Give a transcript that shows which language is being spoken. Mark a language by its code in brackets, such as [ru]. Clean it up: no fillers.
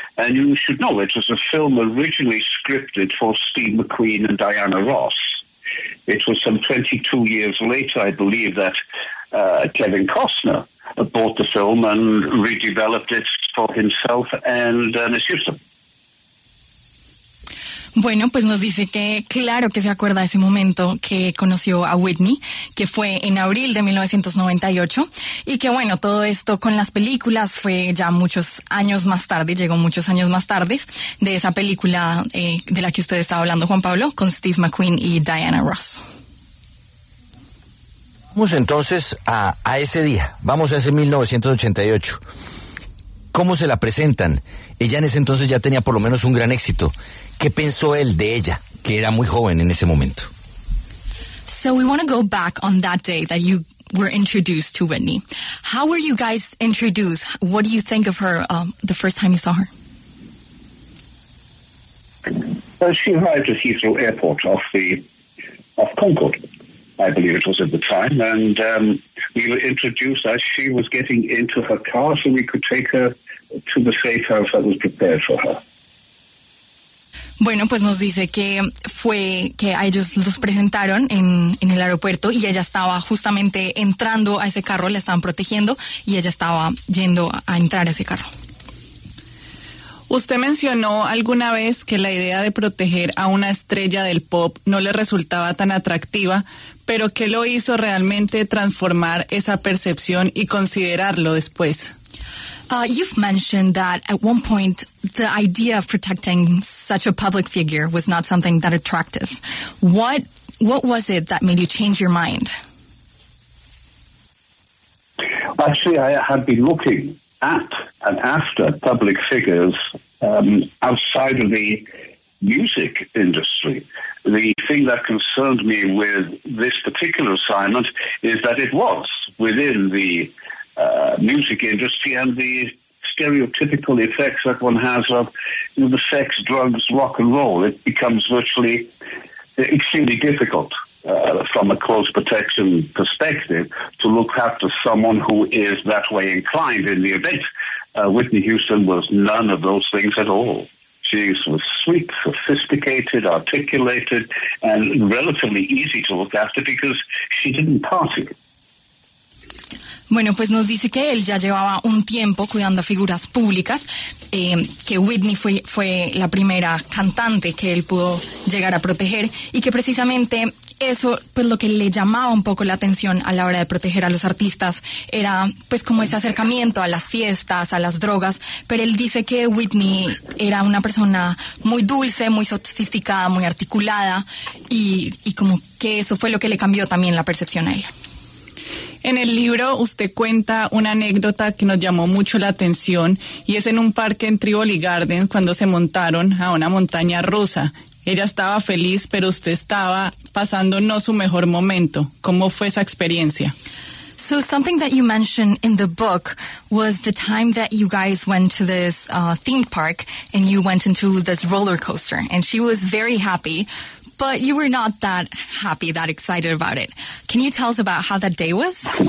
[en] And you should know it was a film originally scripted for Steve McQueen and Diana Ross. It was some 22 years later, I believe, that Kevin Costner bought the film and redeveloped it for himself and Miss Houston. [es] Bueno, pues nos dice que claro que se acuerda de ese momento que conoció a Whitney, que fue en abril de 1998, y que bueno, todo esto con las películas fue ya muchos años más tarde, llegó muchos años más tarde, de esa película de la que usted estaba hablando, Juan Pablo, con Steve McQueen y Diana Ross. Vamos entonces a ese día, vamos a ese 1988. ¿Cómo se la presentan? Ella en ese entonces ya tenía por lo menos un gran éxito. ¿Qué pensó él de ella, que era muy joven en ese momento? [en] So we want to go back on that day that you were introduced to Whitney. How were you guys introduced? What do you think of her the first time you saw her? Well, she arrived at Heathrow Airport off Concorde, I believe it was at the time, and we were introduced as she was getting into her car so we could take her to the safe house that was prepared for her. [es] Bueno, pues nos dice que fue que a ellos los presentaron en el aeropuerto y ella estaba justamente entrando a ese carro, la estaban protegiendo y ella estaba yendo a entrar a ese carro. ¿Usted mencionó alguna vez que la idea de proteger a una estrella del pop no le resultaba tan atractiva, pero qué lo hizo realmente transformar esa percepción y considerarlo después? [en] You've mentioned that at one point the idea of protecting such a public figure was not something that attractive. What was it that made you change your mind? Actually, I had been looking at and after public figures outside of the music industry. The thing that concerned me with this particular assignment is that it was within the music industry and the stereotypical effects that one has of, you know, the sex, drugs, rock and roll. It becomes virtually extremely difficult from a close protection perspective to look after someone who is that way inclined. In the event, Whitney Houston was none of those things at all. She was sweet, sophisticated, articulated, and relatively easy to look after because she didn't party. [es] Bueno, pues nos dice que él ya llevaba un tiempo cuidando a figuras públicas, que Whitney fue la primera cantante que él pudo llegar a proteger, y que precisamente eso, pues lo que le llamaba un poco la atención a la hora de proteger a los artistas era, pues como ese acercamiento a las fiestas, a las drogas, pero él dice que Whitney era una persona muy dulce, muy sofisticada, muy articulada, y como que eso fue lo que le cambió también la percepción a él. En el libro usted cuenta una anécdota que nos llamó mucho la atención, y es en un parque en Trivoli Gardens cuando se montaron a una montaña rusa. Ella estaba feliz, pero usted estaba pasando no su mejor momento. ¿Cómo fue esa experiencia? [en] So something that you mentioned in the book was the time that you guys went to this theme park and you went into this roller coaster, and she was very happy. But you were not that happy, that excited about it. Can you tell us about how that day was?